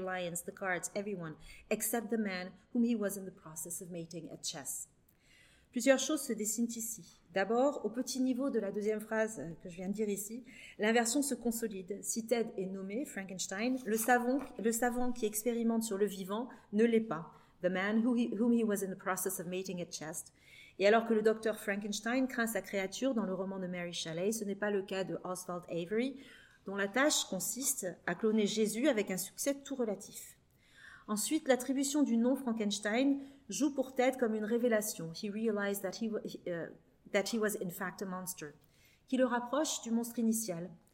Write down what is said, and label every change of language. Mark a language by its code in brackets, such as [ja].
[en] Lyons, the guards, everyone, except the man whom he was in the process of mating at chess. [fr] Plusieurs choses se dessinent ici. D'abord, au petit niveau de la deuxième phrase que je viens de dire ici, l'inversion se consolide. Si Ted est nommé Frankenstein, le savant qui expérimente sur le vivant ne l'est pas. [en] The man whom he was in the process of mating at chess. [fr] Et alors que le docteur Frankenstein craint sa créature dans le roman de Mary Shelley, ce n'est pas le cas de Oswald Avery, dont la tâche consiste à cloner Jésus avec un succès tout relatif. Ensuite, l'attribution du nom Frankenstein joue pour Ted comme une révélation. [en] He realized that he was in fact a monster, qui le rapproche du monstre initial.